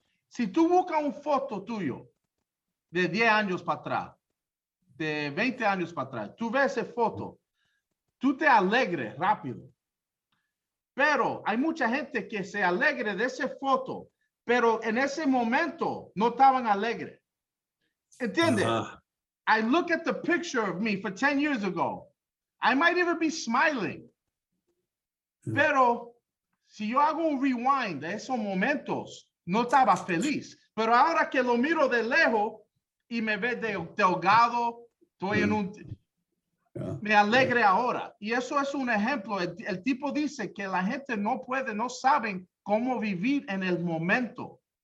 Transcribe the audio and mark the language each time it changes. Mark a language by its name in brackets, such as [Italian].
[Spanish] Si tú buscas un foto tuyo de 10 años para atrás, de 20 años para atrás, tú ves esa foto, tú te alegres rápido. Pero hay mucha gente que se alegre de esa foto, pero en ese momento no estaban alegres. ¿Entiendes? [English] I look at the picture of me for 10 years ago. I might even be smiling. Mm. [Spanish] Pero si yo hago un rewind de esos momentos, no estaba feliz. Pero ahora que lo miro de lejos y me ve de delgado, estoy en un... Me alegre ahora. Y eso es un ejemplo. El tipo dice que la gente no saben cómo vivir en el momento.